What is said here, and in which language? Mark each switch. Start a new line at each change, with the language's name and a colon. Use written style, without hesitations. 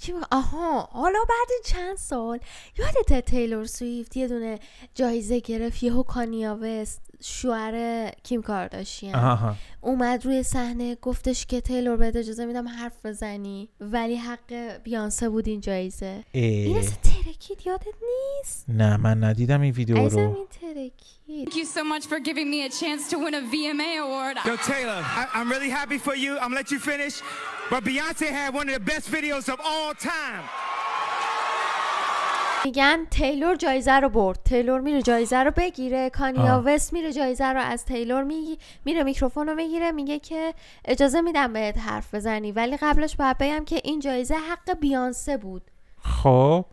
Persian: آها حالا بعد چند سال یادت تیلور سویفت یه دونه جایزه گرفت، یهو کانیا وست شوهر کیم کارداشیان اومد روی صحنه گفتش که تیلور بهت اجازه میدم حرف بزنی ولی حق بیانسه بود این جایزه. این اصلا ترکید، یادت نیست؟ نه من ندیدم این ویدیو رو. از این ترکید.
English: Thank you so much for giving me a chance to win a VMA award. Yo Taylor, I'm really happy for you. I'm gonna let you finish. But Beyonce had one of the best videos of all time.
Persian: میگن تیلور جایزه رو برد، تیلور میره جایزه رو بگیره، کانیا وست میره جایزه رو از تیلور میره میکروفون رو میگیره، میگه که اجازه میدم بهت حرف بزنی، ولی قبلش باید بگم که این جایزه حق بیانسه بود. خب